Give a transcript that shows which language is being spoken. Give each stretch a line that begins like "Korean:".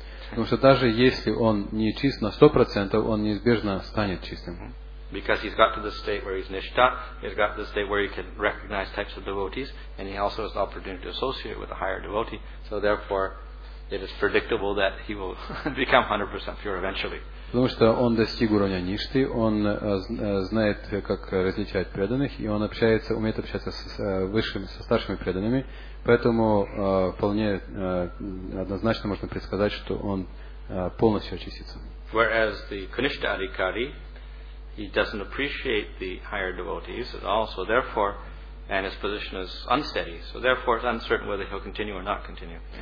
Russian: Потому что даже если он не чист на 100%, он неизбежно станет чистым.
English: Because he's got to the state where he's nishta, he's got to the state where he can recognize types of devotees, and he also has the opportunity to associate with a higher devotee. So therefore, it is predictable that he will become 100% pure eventually.
Russian: Потому что он достиг уровня ништы, он знает, как различать преданных, и он умеет общаться со старшими преданными, поэтому вполне однозначно можно предсказать, что он полностью очистится.
English: Whereas the kanishta adhikari, he doesn't appreciate the higher devotees at all, so therefore, and his position is unsteady, so therefore it's uncertain whether he'll continue or not continue.